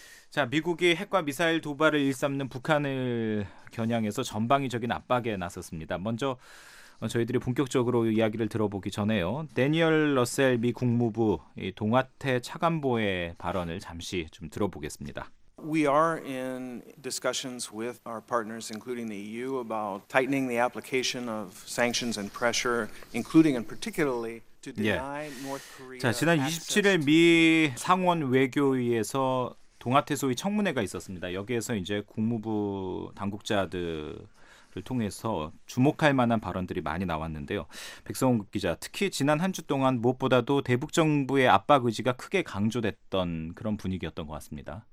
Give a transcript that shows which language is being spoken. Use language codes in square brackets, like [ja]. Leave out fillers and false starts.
[ko] 자, 미국이 핵과 미사일 도발을 일삼는 북한을 겨냥해서 전방위적인 압박에 나섰습니다. 먼저 저희들이 본격적으로 이야기를 들어보기 전에요. 대니얼 러셀 미 국무부 동아태 차관보의 발언을 잠시 좀 들어보겠습니다. [en] We are in discussions with our partners, including the EU, about tightening the application of sanctions and pressure, including and particularly to deny North Korea. [ko] 자, 지난 27일 미 상원 외교위에서 동아태 소위 청문회가 있었습니다. 여기에서 이제 국무부 당국자들을 통해서 주목할 만한 발언들이 많이 나왔는데요. 백성훈 기자, 특히 지난 한 주 동안 무엇보다도 대북 정부의 압박 의지가 크게 강조됐던 그런 분위기였던 것 같습니다.